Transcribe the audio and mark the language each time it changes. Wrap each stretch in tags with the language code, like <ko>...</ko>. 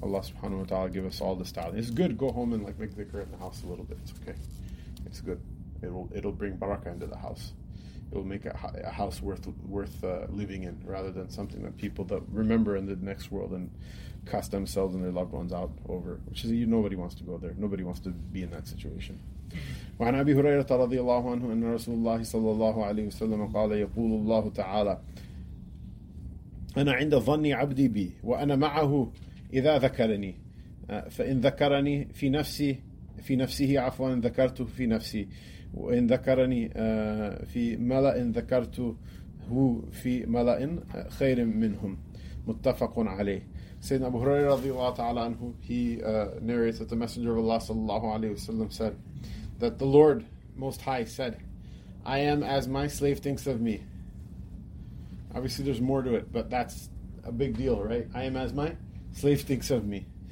<en>Allah subhanahu wa taala give us all the style. It's good. Go home and like make dhikr in the house a little bit. It's okay. It's good. It'll bring barakah into the house. It will make a house worth living in, rather than something that people that remember in the next world and cast themselves and their loved ones out over. Which is, nobody wants to go there. Nobody wants to be in that situation.</en> <ar>وعن أبي هريرة رضي الله عنه أن رسول الله صلى الله عليه وسلم قال يقول الله تعالى أنا عند ظني عبدي بي وأنا معه إذا ذكرني فإن ذكرني في نفسي في نفسه عفوا ذكرته في نفسي وإن ذكرني في ملأ ذكرته في ملأ خير منهم متفق عليه. سيدنا أبو هريرة رضي الله تعالى عنه,</ar> <en>he narrates that the Messenger of Allah</en> <ar>صلى الله عليه وسلم</ar> <en>said that the Lord Most High said, I am as my slave thinks of me. Obviously there's more to it, but that's a big deal, right? I am as my slave thinks of me.</en>